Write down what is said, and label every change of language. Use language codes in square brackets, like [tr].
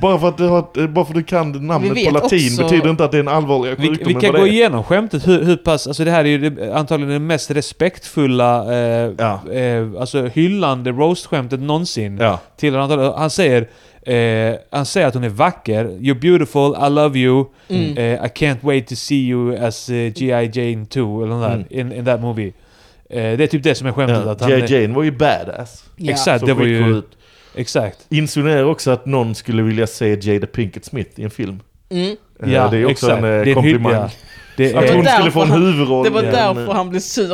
[sv] Bara för att du, kan namnet på latin också... betyder inte att det är en allvarlig sjukdom. Vi kan gå igenom skämtet. Hur pass, alltså det här är ju antagligen den mest respektfulla... alltså hyllande roast-skämtet någonsin. Ja. Till han säger att hon är vacker. [en] You're beautiful, I love you. I can't wait to see you as G.I. Jane 2 [sv] eller något [en] in that movie. [sv] Det är typ det som är skämtet. G.I. Jane var ju badass. Yeah. Exakt, det var ju exakt. Insinuerar också att någon skulle vilja se Jada Pinkett Smith i en film. Ja, det är också exakt. En komplimang. Det att hon skulle få en huvudroll. Det var därför han blev sur.